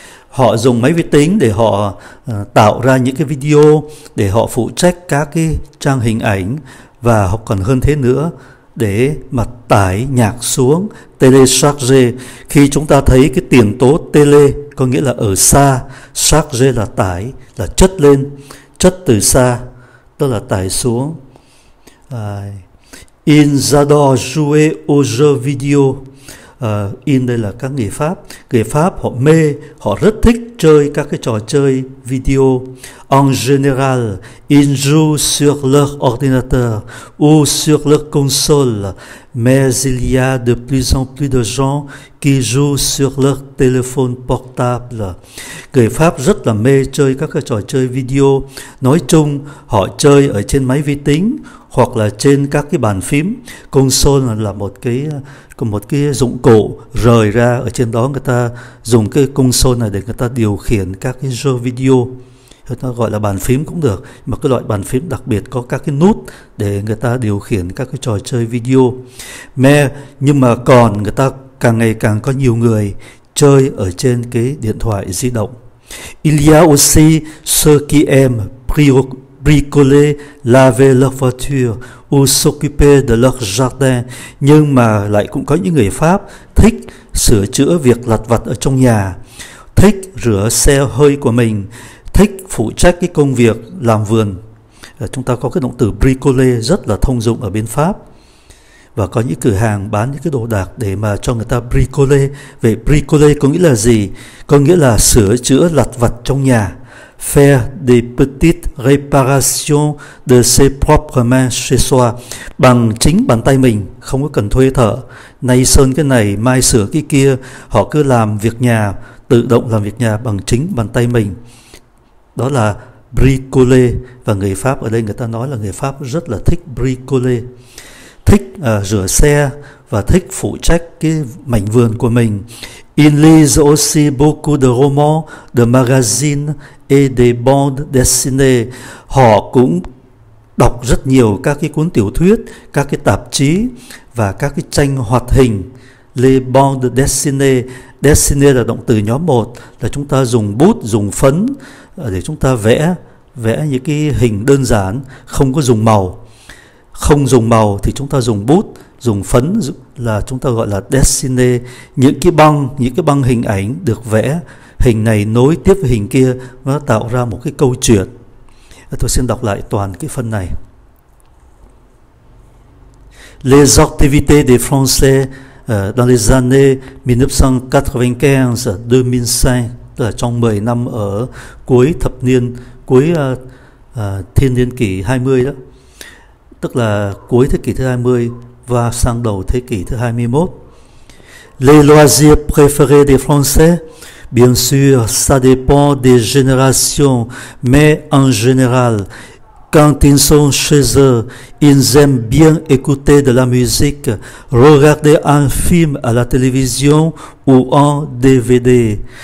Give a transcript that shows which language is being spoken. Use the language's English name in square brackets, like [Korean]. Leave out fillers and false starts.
[Vietnamese] Họ dùng máy vi tính để họ tạo ra những cái video, để họ phụ trách các cái trang hình ảnh, và họ còn hơn thế nữa để mà tải nhạc xuống, télécharger. Khi chúng ta thấy cái tiền tố télé có nghĩa là ở xa, charger là tải, là chất lên, chất từ xa, tức là tải xuống. [French] Ils adorent jouer aux jeux vidéo. [Vietnamese] In đây là các người Pháp. Người Pháp họ mê, họ rất thích chơi các cái trò chơi video. [French] En général, ils jouent sur leur ordinateur ou sur leur console. Mais il y a de plus en plus de gens qui jouent sur leur téléphone portable. [Vietnamese] Người Pháp rất là mê chơi các cái trò chơi video. Nói chung, họ chơi ở trên máy vi tính hoặc là trên các cái bàn phím. Console là một cái dụng cụ rời ra, ở trên đó người ta dùng cái console này để người ta điều khiển các cái show video, nó gọi là bàn phím cũng được, mà cái loại bàn phím đặc biệt có các cái nút để người ta điều khiển các cái trò chơi video. Nhưng mà còn người ta càng ngày càng có nhiều người chơi ở trên cái điện thoại di động. [French] Il y a aussi ceux qui aiment bricoler, laver leur voiture ou s'occuper de leur jardin. [Vietnamese] Nhưng mà lại cũng có những người Pháp thích sửa chữa việc lặt vặt ở trong nhà, thích rửa xe hơi của mình, thích phụ trách cái công việc làm vườn. Chúng ta có cái động từ bricoler rất là thông dụng ở bên Pháp, và có những cửa hàng bán những cái đồ đạc để mà cho người ta bricoler. Vậy bricoler có nghĩa là gì? Có nghĩa là sửa chữa lặt vặt trong nhà. [French] Faire des petites réparations de ses propres mains chez soi, [Vietnamese] bằng chính bàn tay mình, không có cần thuê thợ. Nay sơn cái này, mai sửa cái kia, họ cứ làm việc nhà, tự động làm việc nhà bằng chính bàn tay mình. Đó là bricoler, và người Pháp ở đây người ta nói là người Pháp rất là thích bricoler. Thích rửa xe và thích phụ trách cái mảnh vườn của mình. [French] Il lit aussi beaucoup de romans, de magazines et des bandes dessinées. [Vietnamese] Họ cũng đọc rất nhiều các cái cuốn tiểu thuyết, các cái tạp chí và các cái tranh hoạt hình. Les bandes dessinées, dessinées là động từ nhóm 1, là chúng ta dùng bút, dùng phấn để chúng ta vẽ, vẽ những cái hình đơn giản, không có dùng màu. Không dùng màu thì chúng ta dùng bút, dùng phấn, là chúng ta gọi là dessiné. Những cái băng hình ảnh được vẽ, hình này nối tiếp với hình kia, nó tạo ra một cái câu chuyện. Tôi xin đọc lại toàn cái phần này. [French] Les activités des Français dans les années 1995-2005, [Vietnamese] tức là trong 10 năm ở cuối thập niên, cuối thiên niên kỷ 20 đó, tức là cuối thế kỷ thứ 20 và sang đầu thế kỷ thứ 21. [French] Les loisirs préférés des Français, bien sûr, ça dépend des générations, mais en général, quand ils sont chez eux, ils aiment bien écouter de la musique, regarder un film à la télévision ou en DVD.